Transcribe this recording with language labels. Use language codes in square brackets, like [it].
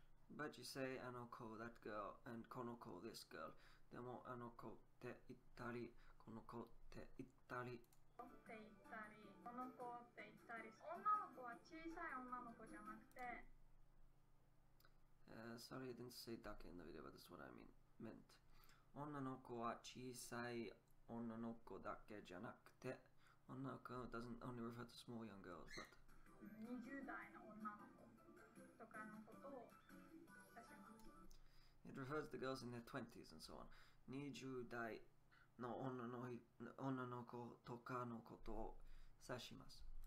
[en] But you say [ja] あの子 [en] that girl and [ja] この子 [en] this girl [ja] でもあの子って言ったりこの子って言ったりって言ったりこの子って言ったり女の子は小さい女の子じゃなくて [en] Sorry I didn't say that in the video but that's what I meant [ja] 女の子は小さい女の子だけじゃなくて女の子 [en] doesn't only refer to small young girls but 20 [ja] 代の女の子とかのことを [en] It refers to girls in their 20s and so on. [ja] 20代の女の子とかのことを指します。